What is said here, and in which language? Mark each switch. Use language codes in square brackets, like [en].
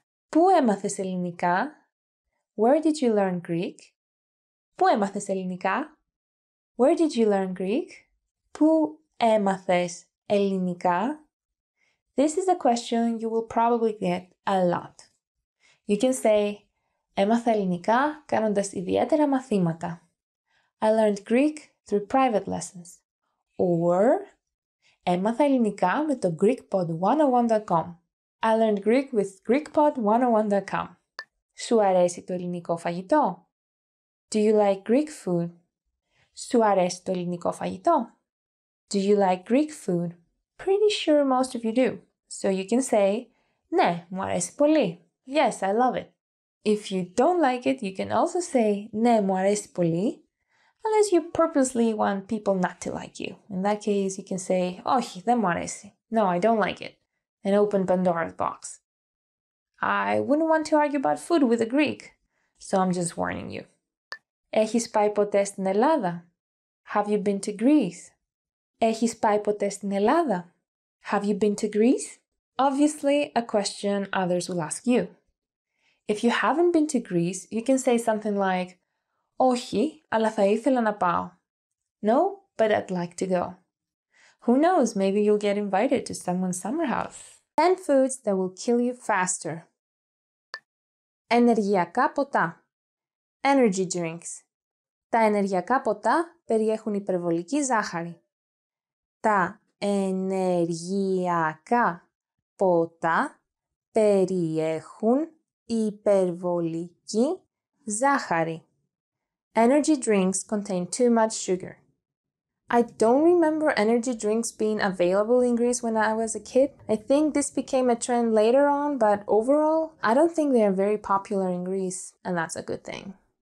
[el] Πού έμαθες ελληνικά? [en] Where did you learn Greek? [el] Πού έμαθες ελληνικά? [en] Where did you learn Greek? [el] Πού έμαθες ελληνικά? [en] This is a question you will probably get a lot. You can say, [el] έμαθα ελληνικά κάνοντας ιδιαίτερα μαθήματα. [en] I learned Greek through private lessons. Or, [el] έμαθα ελληνικά με το GreekPod101.com. [en] I learned Greek with GreekPod101.com. [el] Σου αρέσει το ελληνικό φαγητό? [en] Do you like Greek food? [el] Σου αρέσει το ελληνικό φαγητό? [en] Do you like Greek food? Pretty sure most of you do. So you can say, [el] ναι, μου αρέσει πολύ. [en] Yes, I love it. If you don't like it, you can also say, [el] ναι, μου αρέσει πολύ, [en] unless you purposely want people not to like you. In that case, you can say, [el] όχι, δεν μου αρέσει. [en] No, I don't like it. And open Pandora's box. I wouldn't want to argue about food with a Greek, so I'm just warning you. [el] Έχεις πάει ποτέ στην Ελλάδα? [en] Have you been to Greece? [el] Έχεις πάει ποτέ στην Ελλάδα? [en] Have you been to Greece? Obviously, a question others will ask you. If you haven't been to Greece, you can say something like, [el] Όχι, αλλά θα ήθελα να πάω. [en] No, but I'd like to go. Who knows, maybe you'll get invited to someone's summer house. 10 foods that will kill you faster. [el] Ενεργειακά ποτά. [en] Energy drinks. [el] Τα ενεργειακά ποτά περιέχουν υπερβολική ζάχαρη. Τα ενεργειακά ποτά περιέχουν υπερβολική ζάχαρη. [en] Energy drinks contain too much sugar. I don't remember energy drinks being available in Greece when I was a kid. I think this became a trend later on, but overall, I don't think they are very popular in Greece, and that's a good thing.